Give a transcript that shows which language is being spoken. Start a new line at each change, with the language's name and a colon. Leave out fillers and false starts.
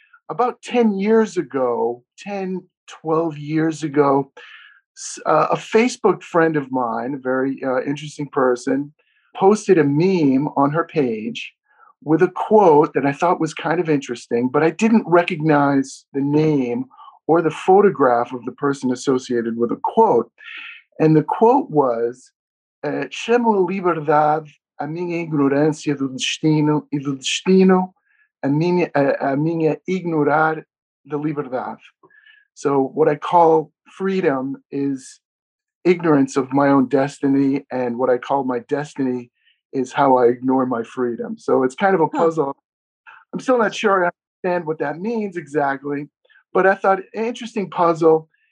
English: About 10 years ago, 10, 12 years ago, a Facebook friend of mine, a very interesting person, posted a meme on her page with a quote that I thought was kind of interesting, but I didn't recognize the name or the photograph of the person associated with a quote. And the quote was,
Portuguese: chamo a liberdade a minha ignorância do destino e do destino a minha ignorar da liberdade.
English: So what I call freedom is ignorance of my own destiny, and what I call my destiny is how I ignore my freedom. So it's kind of a puzzle. I'm still not sure I understand what that means exactly, but I thought, interesting puzzle.